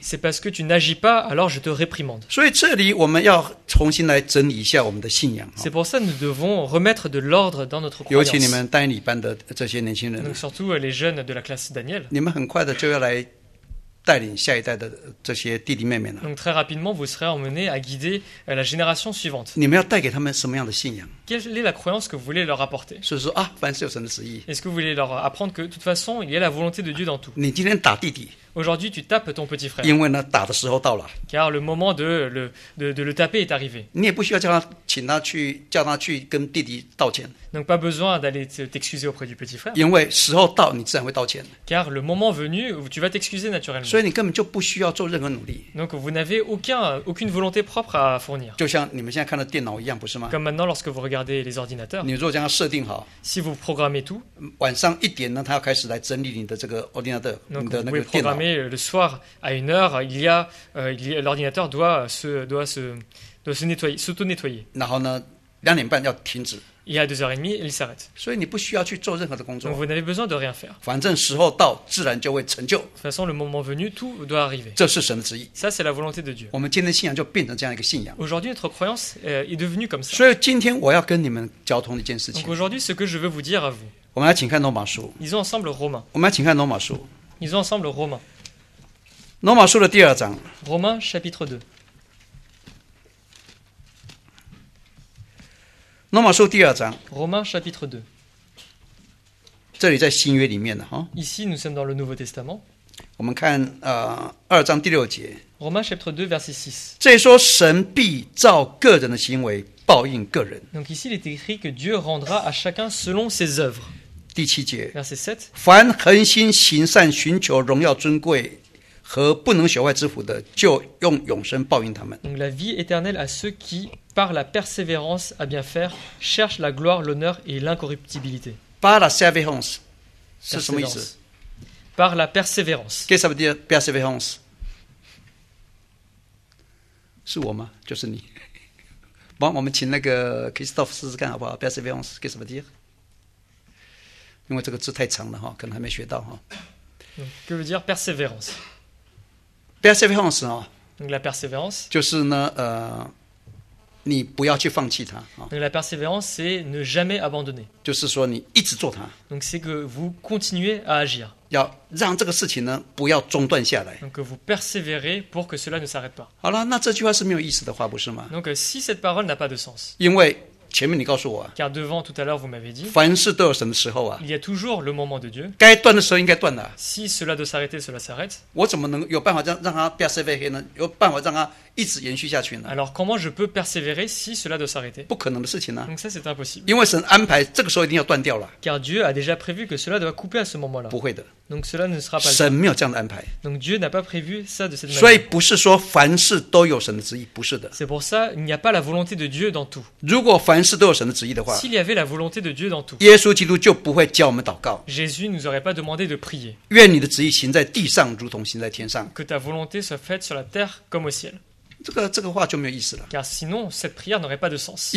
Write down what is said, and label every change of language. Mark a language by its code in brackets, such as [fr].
[fr] C'est parce que tu n'agis pas, alors je te réprimande. [zh] 所以这里我们要重新来整理一下我们的信仰。 [fr] C'est pour ça que nous devons remettre de l'ordre dans notre croyance. [zh] 尤其你们丹尼班的这些年轻人。 [fr] Donc surtout les jeunes de la classe Daniel. [zh] 你们很快的就要来带领下一代的这些弟弟妹妹了。 [fr] Donc très rapidement vous serez emmenés à guider la génération suivante. [zh] 你们要带给他们什么样的信仰？ [fr] Quelle est la croyance que vous voulez leur apporter? [zh] 是说啊，凡事有神的旨意。 [fr] Est-ce que vous voulez leur apprendre que de toute façon il y a la volonté de Dieu dans tout? [zh] 你今天打弟弟。 [fr] Aujourd'hui, tu tapes ton petit frère. [zh] 因为呢，打的时候到了。 [fr] Car le moment de le taper est arrivé. [zh] 你也不需要叫他去跟弟弟道歉。 [fr] Donc pas besoin d'aller t'excuser auprès du petit frère. [zh] 因为时候到，你自然会道歉。 [fr] Car le moment venu, tu vas t'excuser naturellement. [zh] 所以你根本就不需要做任何努力。 [fr] Donc vous n'avez aucune volonté propre à fournir. [zh] 就像你们现在看的电脑一样，不是吗？ [fr] Comme maintenant lorsque vous regardez les ordinateurs. [zh] 你如果将它设定好。 [fr] Si vous programmez tout. [zh] 晚上一点呢，他要开始来整理你的这个 ordinateur， 你的那个电脑。 [fr] Mais le soir, à une heure, il y a, l'ordinateur doit se nettoyer, s'auto-nettoyer. [zh] 然后呢，两点半要停止。 [fr] Et à 2h30, il s'arrête. [zh] 所以你不需要去做任何的工作。 [fr] Donc vous n'avez besoin de rien faire. [zh] 反正时候到，自然就会成就。 [fr] De toute façon, le moment venu, tout doit arriver. [zh] 这是神的旨意。 [fr] Ça, c'est la volonté de Dieu. [zh] 我们今天信仰就变成这样一个信仰。 [fr] Aujourd'hui, notre croyance est devenue comme ça. [zh] 所以今天我要跟你们交通一件事情。 [fr] Donc aujourd'hui, ce que je veux vous dire à vous. [zh] 我们来请看罗马书。 [fr] Ils ont ensemble Romains. [zh] 我们来请看罗马书。 [fr] Ils ont ensemble Romains. [zh] 罗马书的第二章。 [fr] Romains chapitre 2。 [zh] 罗马书第二章。 [fr] Romains chapitre 2。 [zh] 这里在新约里面的哈。 [fr] Ici nous sommes dans le Nouveau Testament。 [zh] 我们看二章第六节。 [fr] Romains chapitre 2 verset 6。 [zh] 这里说神必照个人的行为报应个人。 [fr] Donc ici il est écrit que Dieu rendra à chacun selon ses œuvres。 [zh] 第七节。 [fr] Verset 7。 [zh] 凡恒心行善寻求荣耀尊贵。和不能朽坏之福的，就用永生报应他们。 [fr] Donc la vie éternelle à ceux qui, par la persévérance à bien faire, cherchent la gloire, l'honneur et l'incorruptibilité. Par la persévérance, [zh] 是什么意思？ [fr] Par la persévérance. Qu'est-ce que ça veut dire persévérance？ [zh] 是我吗？就是你。帮我们请那个 Christophe 试试看好不好 ？ [fr] Persévérance, qu'est-ce que ça veut dire？ [zh] 因为这个字太长了哈，可能还没学到哈。 [fr] Que veut dire persévérance？ Persévérance, 哦、 Donc la persévérance, [zh] 就是呢，你不要去放弃它。 [fr] 哦、Donc la persévérance, c'est ne jamais abandonner. [zh] 就是说你一直做它。 [fr] Donc c'est que vous continuez à agir. [zh] 要让这个事情呢不要中断下来。 [fr] Donc que vous persévérez pour que cela ne s'arrête pas. [zh] 好了，那这句话是没有意思的话，不是吗 [fr] ？Donc si cette parole n'a pas de sens. [zh] 因为前面你告诉我、啊、 [fr] Car devant tout à l'heure vous m'avez dit [zh] 凡事都有神的时候、啊、 [fr] Il y a toujours le moment de Dieu [zh] 该断的时候应该断的 [fr] Si cela doit s'arrêter, cela s'arrête [zh] 我怎么能有办法让它 persévérer 呢有办法让它一直延续下去呢 [fr] Alors comment je peux persévérer si cela doit s'arrêter [zh] 不可能的事情呢、啊、 [fr] Donc ça c'est impossible [zh] 因为神安排这个时候一定要断掉了 [fr] Car Dieu a déjà prévu que cela doit couper à ce moment-là [zh] 不会的 [fr] Donc cela ne sera pas [zh] 神没有这样的安排 [fr] Donc Dieu n'a pas prévu ça de cette [zh] 所以不是说凡事都有神的旨意不是的 [fr] C'est pour ça il n'y a pas la volonté de Dieu dans tout [zh] 如果凡事都有神的旨意的话 [fr] S'il y avait la volonté de Dieu dans tout [zh] 耶稣基督就不会叫我们祷告 [fr] Jésus ne nous aurait pas demandé de prier [zh] 愿你的旨意行在地上如同行在天上 [fr] Que ta volonté soit faite sur la terre comme au ciel [zh] 这个话就没有意思了 [fr] Car sinon cette prière n'aurait pas de sens